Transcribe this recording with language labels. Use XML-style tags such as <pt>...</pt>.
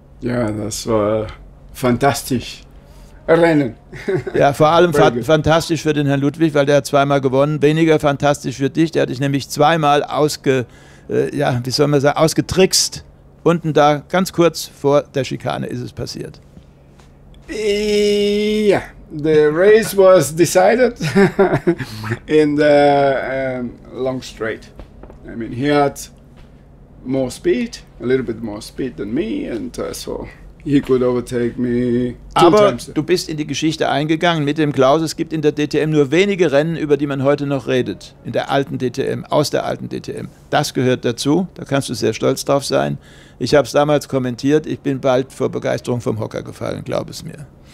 <de>Ja, das war fantastisch. Rennen. Ja, vor allem fantastisch für den Herrn Ludwig, weil der hat zweimal gewonnen. Weniger fantastisch für dich, der hat dich nämlich zweimal ausgetrickst. Unten da, ganz kurz vor der Schikane, ist es passiert.</de> <en>Ja, the race was decided in the long straight. I mean, he had more speed, a little bit more speed than me, and so he could overtake me.</en> <de>Aber du bist in die Geschichte eingegangen mit dem Klaus. Es gibt in der DTM nur wenige Rennen, über die man heute noch redet. In der alten DTM, aus der alten DTM. Das gehört dazu. Da kannst du sehr stolz drauf sein. Ich habe es damals kommentiert. Ich bin bald vor Begeisterung vom Hocker gefallen, glaub es mir.</de>